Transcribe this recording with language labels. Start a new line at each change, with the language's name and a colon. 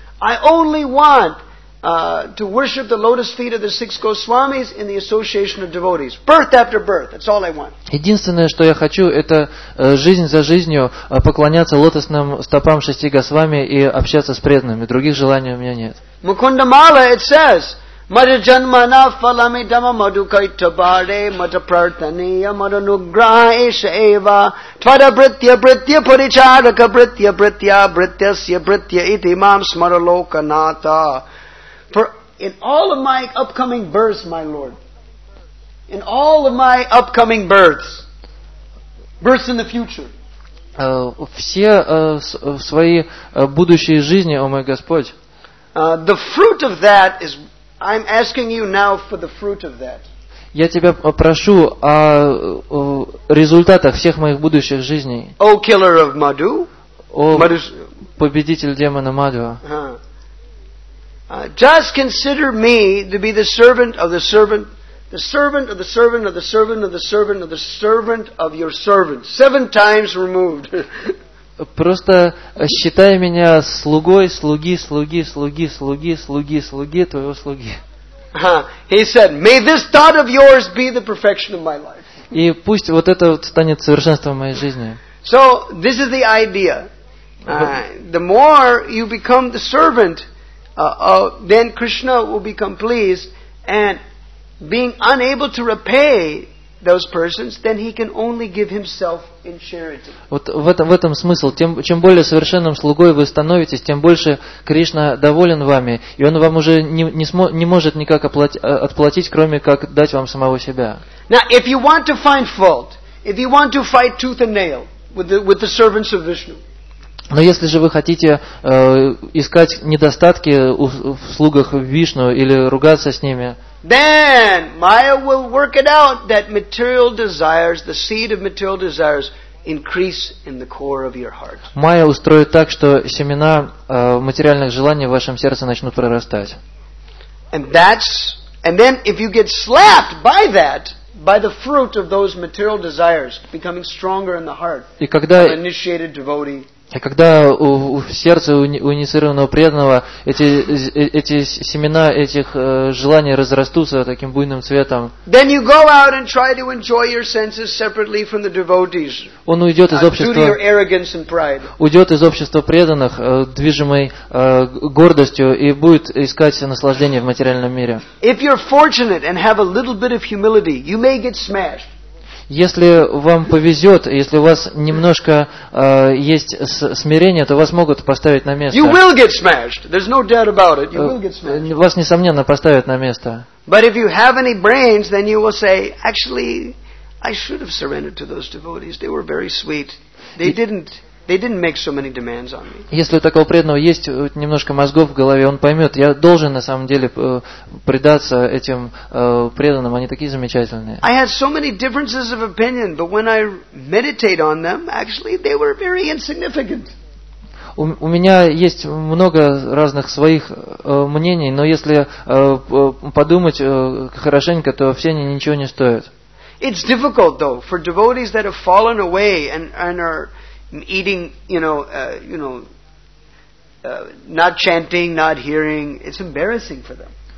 English: I only want to worship the lotus feet of the six Goswamis in the association of devotees. Birth after birth, that's all I want.
Russian: Единственное, что я хочу, это жизнь за жизнью поклоняться лотосным стопам шести Госвами и общаться с преданными. Других желаний у меня нет.
Sanskrit: Мукундамала,
English: it says,
Sanskrit: Madhajanmana falamidama madhukaitabare madhapratanaya madhanugraheshaeva tvadabhritya bhritya puricharaka bhritya bhritya bhrityasya bhritya iti mam smaralokanata.
English: For in all of my upcoming births, births in the future.
Russian: Все в свои будущие жизни, о мой Господь.
English: The fruit of that is, I'm asking you now for the fruit of that.
Russian: Я тебя прошу о результатах всех моих будущих жизней.
English: O killer of Madhu.
Russian: О победитель демона Мадху.
English: Just consider me to be the servant of the servant, the servant of the servant of the servant of the servant of the servant of your servant. Seven times removed.
Russian: Просто считай меня слугой, слуги, слуги, слуги, слуги, слуги, слуги, твоего слуги.
English: He said, may this thought of yours be the perfection of my life.
Russian: И пусть вот это станет совершенством моей жизни.
English: So, this is the idea. The more you become the servant, then Krishna will become pleased, and being unable to repay those persons, then he can only give himself in charity.
Russian: Вот в этом смысл. Чем более совершенным слугой вы становитесь, тем больше Кришна доволен вами, и он вам уже не может никак отплатить, кроме как дать вам самого себя.
English: Now, if you want to find fault, if you want to fight tooth and nail with the servants of Vishnu.
Russian: Но если же вы хотите искать недостатки в слугах Вишну или ругаться с ними,
English: then Maya will work it out that material desires, the seed of material desires, increase in the core of your heart.
Russian: Maya устроит так, что семена материальных желаний в вашем сердце начнут прорастать.
English: And then if you get slapped by that, by the fruit of those material desires becoming stronger in the heart, an initiated devotee.
Russian: И когда в сердце у инициированного преданного эти семена этих желаний разрастутся таким буйным цветом,
English: then you go out and try to enjoy your senses separately from the devotees.
Russian: Он уйдет из общества.
English: Due to your arrogance and pride.
Russian: Уйдет из общества преданных, движимой гордостью, и будет искать наслаждение в материальном мире.
English: If you're fortunate and have a little bit of humility, you may get smashed.
Russian: Если вам повезет, если у вас немножко есть смирение, то вас могут поставить на место.
English: You will get smashed. There's no doubt about it. You will get smashed.
Russian: Вас несомненно поставят на место.
English: But if you have any brains, then you will say, actually, I should have surrendered to those devotees. They were very sweet. They didn't make so many demands on me.
Russian: Если у такого преданного есть немножко мозгов в голове, он поймет, я должен на самом деле предаться этим преданным, они такие замечательные.
English: I had so many differences of opinion, but when I meditate on them, actually they were very insignificant.
Russian: У меня есть много разных своих мнений, но если подумать хорошенько, то все они ничего не стоят.
English: It's difficult though for devotees that have fallen away and are eating, not chanting, not hearing, it's embarrassing for them.